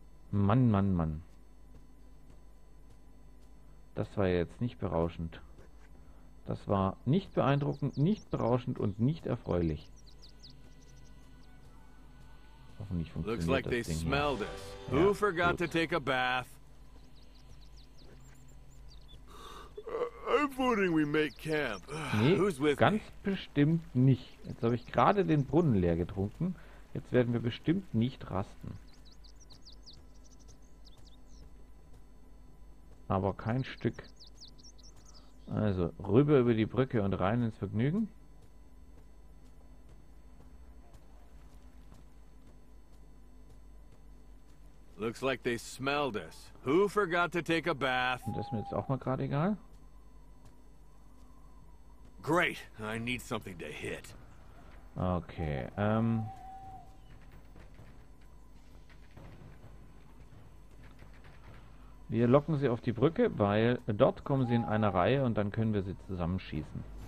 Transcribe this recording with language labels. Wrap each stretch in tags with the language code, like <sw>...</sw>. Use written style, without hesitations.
<de>Mann, Mann, Mann. Das war jetzt nicht berauschend. Das war nicht beeindruckend, nicht berauschend und nicht erfreulich. Hoffentlich funktioniert das Ding hier.</de> <en>Who forgot to take a bath? I'm voting we make camp.</en> <de>Nee,</de> <en>who's with</en> <de>ganz me? Bestimmt nicht. Jetzt habe ich gerade den Brunnen leer getrunken. Jetzt werden wir bestimmt nicht rasten. Aber kein Stück. Also, rüber über die Brücke und rein ins Vergnügen.</de> <en>Looks like they smelled us. Who forgot to take a bath?</en> <de>Das ist mir jetzt auch mal gerade egal.</de> <en>Great. I need something to hit.</en> <de>Okay. Wir locken sie auf die Brücke, weil dort kommen sie in einer Reihe und dann können wir sie zusammenschießen.</de>